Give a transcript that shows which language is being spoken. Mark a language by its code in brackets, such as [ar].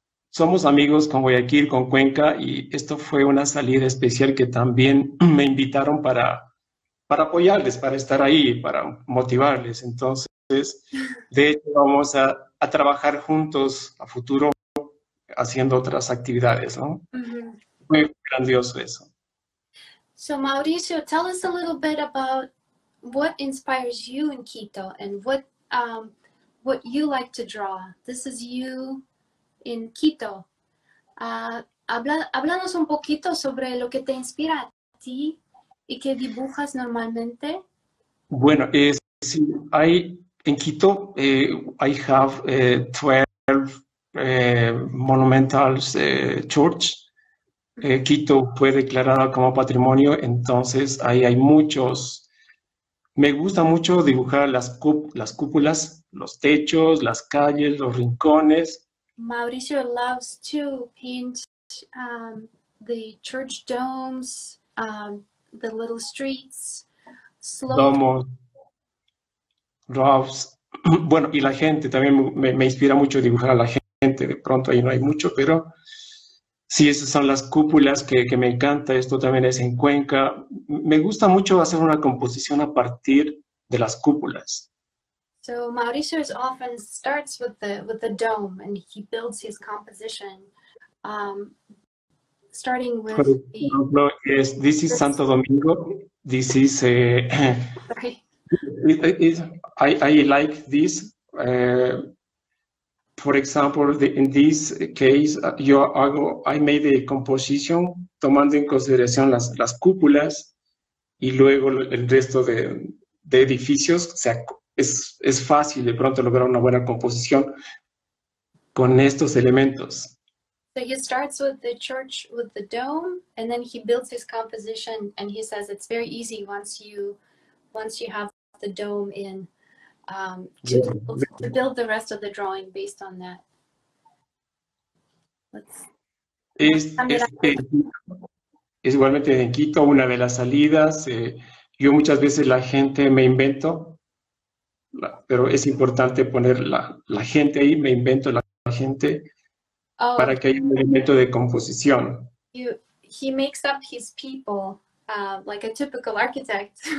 [es] Somos amigos con Guayaquil, con Cuenca, y esto fue una salida especial que también me invitaron para apoyarles, para estar ahí, para motivarles. Entonces, de hecho, vamos a trabajar juntos a futuro haciendo otras actividades, ¿no? Mm-hmm. Fue grandioso eso. [en] So, Mauricio, tell us a little bit about what inspires you in Quito and what you like to draw. This is you in Quito. [es] Háblanos un poquito sobre lo que te inspira a ti y que dibujas normalmente. Bueno, sí, en [en] Quito I have 12 monumental church. [es] Quito fue declarada como patrimonio, entonces ahí hay muchos. Me gusta mucho dibujar las cúpulas, los techos, las calles, los rincones. [en] Mauricio loves to paint the church domes, the little streets, slopes. Domos, roofs. [es] Bueno, y la gente también me inspira mucho dibujar a la gente. De pronto ahí no hay mucho, pero Sí, esas son las cúpulas que me encanta. Esto también es en Cuenca. Me gusta mucho hacer una composición a partir de las cúpulas. [en] So Mauricio is often starts with the dome, and he builds his composition, starting [es] Por [en] with the [es] ejemplo, [en] this is this. Santo Domingo. This is Sorry. I like this. For example, in this case, I made a composition tomando en consideración las cúpulas y luego el resto de edificios. O sea, es fácil de pronto lograr una buena composición con estos elementos. So he starts with the church with the dome, and then he builds his composition, and he says it's very easy once you have the dome in, to build the rest of the drawing based on that. Let's sum it up. [es] Es igualmente en Quito una de las salidas. Yo muchas veces la gente me invento, pero es importante poner la gente ahí, me invento la gente Oh. para que haya un elemento de composición. [en] He makes up his people, like a typical architect.